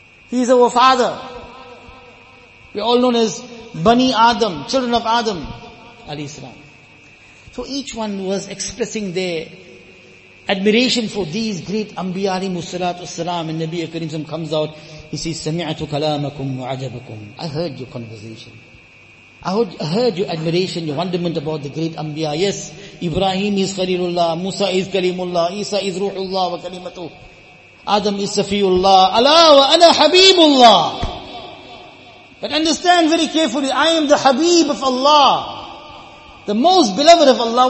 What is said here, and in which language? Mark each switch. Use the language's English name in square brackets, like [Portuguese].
[English] He is our father. We are all known as Bani Adam, children of Adam, alayhi salam. So each one was expressing their admiration for these great Anbiya alayhimus salatu wassalam, and Nabi Karim comes out. He says, [Arabic] سَمِعَتُ كَلَامَكُمْ وَعَجَبَكُمْ. [English] I heard your conversation. I heard your admiration, your wonderment about the great Anbiya. Yes, Ibrahim is Khalilullah, Musa is Kalimullah, Isa is Ruhullah wa Kalimatu, Adam is Safiullah, Allah wa Ana Habibullah. But understand very carefully, I am the Habib of Allah, the most beloved of Allah.